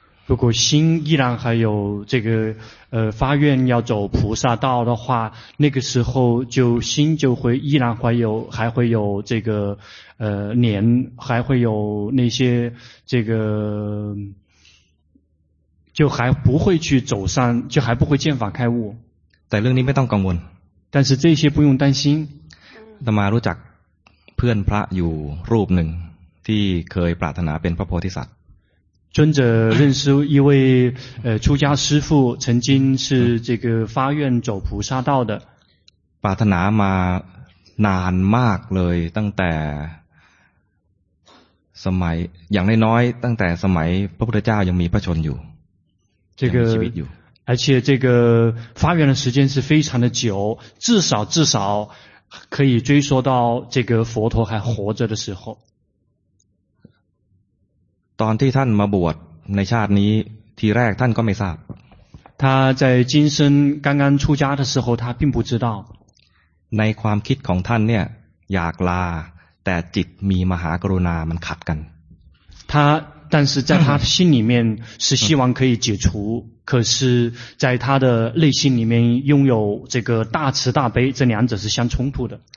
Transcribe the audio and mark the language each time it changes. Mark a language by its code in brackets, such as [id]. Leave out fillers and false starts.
[zh] 如果心依然还有这个发愿要走菩萨道的话，那个时候就心就会依然还会有这个念，还会有那些这个，就还不会去走上，就还不会见法开悟。 [th] แต่เรื่องนี้ไม่ต้องกังวล。 [zh] 但是这些不用担心。 [th] ธรรมารู้จักเพื่อนพระอยู่รูปหนึ่งที่เคยปรารถนาเป็นพระโพธิสัตว์ [zh] 尊者认识一位出家师父曾经是这个发愿走菩萨道的 [th] ปรารถนามานานมากเลยตั้งแต่สมัยอย่างน้อยๆตั้งแต่สมัยพระพุทธเจ้ายังมีพระชนอยู่ [zh] 这个 [th] ชีวิตอยู่ [zh] 而且这个发愿的时间是非常的久至少可以追溯到这个佛陀还活着的时候 [th] ตอนที่ท่านมาบวชในชาตินี้ทีแรกท่านก็ไม่ทราบ [zh] 他在今生刚刚出家的时候他并不知道 [th] ในความคิดของท่านเนี่ยอยากลาแต่จิตมีมหากรุณามันขัดกัน [zh] 他但是在他心里面是希望可以解除可是在他的内心里面拥有这个大慈大悲这两者是相冲突的